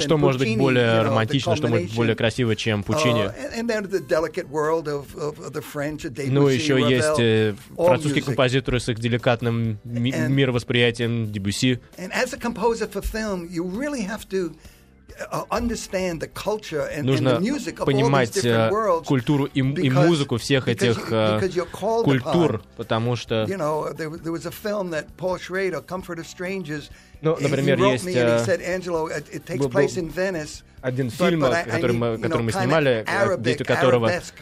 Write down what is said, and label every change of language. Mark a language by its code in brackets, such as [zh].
[ru] Что может быть более романтично, что может быть более красиво, чем Пуччини? Ну, еще есть французские композиторы с их деликатным мировосприятием, Дебюсси. И композитор для фильма, вы действительно должны... [en] understand the culture and the music of all these different worlds. [ru] Понимать культуру и музыку всех этих культур, потому что. [en] You know, there was a film that Paul Schrader, Comfort of Strangers. [ru] Ну, например, есть. [en] He said, "Angelo, it takes place in Venice." [ru] Один фильм, который мы снимали, действие которого.